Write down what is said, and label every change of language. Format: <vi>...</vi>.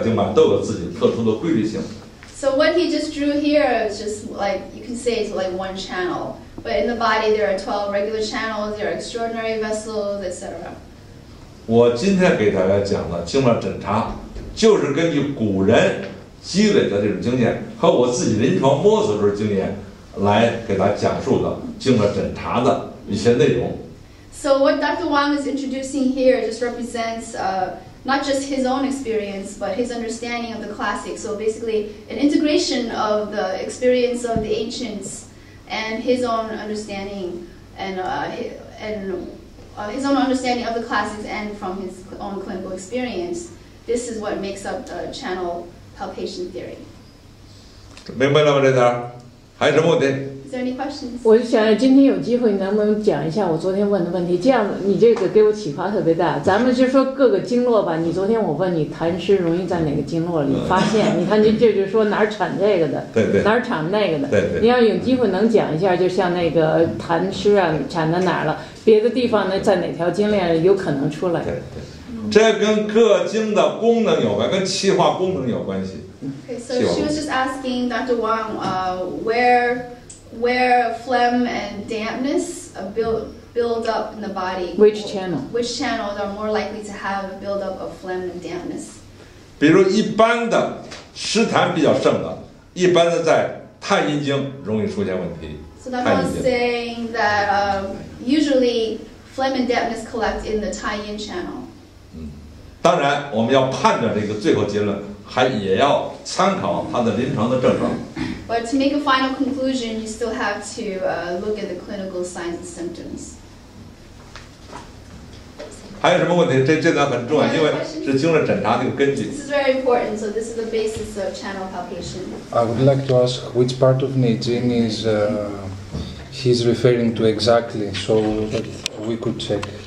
<zh>当然，我这说的是一条经脉，12条经脉，或者说有更多的经脉，还有12条经脉，还有七十八脉，各条经脉都有自己特殊的规律性。</zh> <en>So what he just drew here is just like you can say it's like one channel, but in the body there are 12 regular channels, there are extraordinary vessels, etc.</en> <zh>我今天给大家讲的经脉诊查，就是根据古人积累的这种经验和我自己临床摸索出的经验。来给他讲述的经脉诊查的一些内容。</zh> <en>So what Dr. Wang is introducing here just represents not just his own experience, but his understanding of the classics. So basically, an integration of the experience of the ancients and his own understanding of the classics and from his own clinical experience. This is what makes up the channel palpation theory.</en> <zh>明白了吗？这点儿？ 还有什么问题？</zh> <en>Is there any questions?</en> <zh>我想今天有机会能不能讲一下我昨天问的问题，这样你这个给我启发特别大。咱们就说各个经络吧，你昨天我问你痰湿容易在哪个经络里发现，你看这就是说哪儿产这个的，对对，哪儿产那个的，对对。你要有机会能讲一下，就像那个痰湿啊产在哪儿了，别的地方呢在哪条经链有可能出来，对对。这跟各经的功能有关，跟气化功能有关系。</zh> <en>Okay, so she was just asking Dr. Wang, where phlegm and dampness build up in the body. Which channels are more likely to have a build up of phlegm and dampness?</en> <zh>比如一般的湿痰比较盛的，一般的在太阴经容易出现问题。</zh> <en>So Dr. Wang saying that usually phlegm and dampness collect in the 太阴 channel.</en> <zh>当然我们要判断这个最后结论还也要参考他的临床的症状。</zh> <en>But to make a final conclusion, you still have to look at the clinical signs and symptoms.</en> <zh>还有什么问题？这段很重要，因为是经络诊查的一个根据。</zh> <en>This is very important, so this is the basis of channel palpation. I would like to ask which part of Nijin is he's referring to exactly, so that we could check.</en>